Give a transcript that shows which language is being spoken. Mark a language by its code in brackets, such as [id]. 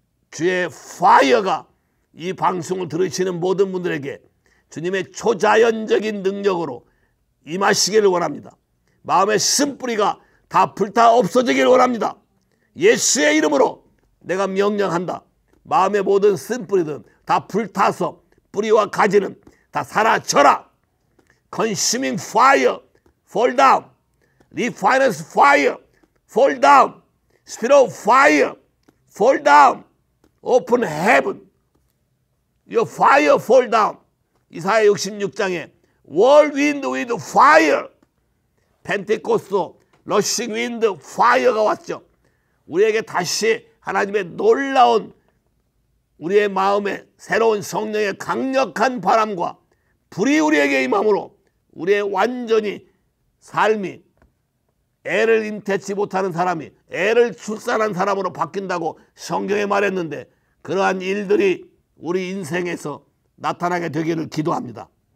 [ko] 주의 파이어가 이 방송을 들으시는 모든 분들에게 주님의 초자연적인 능력으로 임하시기를 원합니다. 마음의 쓴뿌리가 다 불타 없어지기를 원합니다. 예수의 이름으로 내가 명령한다. 마음의 모든 쓴뿌리든 다 불타서 뿌리와 가지는 다 사라져라. [en] Consuming fire, fall down. Refinance fire, fall down. Spirit of fire, fall down. Open heaven. Your fire fall down. [ko] 이사야 66장에 [en] whirlwind with fire. Pentecost, rushing wind, fire가 [ko] 왔죠. 우리에게 다시 하나님의 놀라운 우리의 마음에 새로운 성령의 강력한 바람과 불이 우리에게 임함으로 우리의 완전히 삶이 애를 임태치 못하는 사람이 애를 출산한 사람으로 바뀐다고 성경에 말했는데 그러한 일들이 우리 인생에서 나타나게 되기를 기도합니다.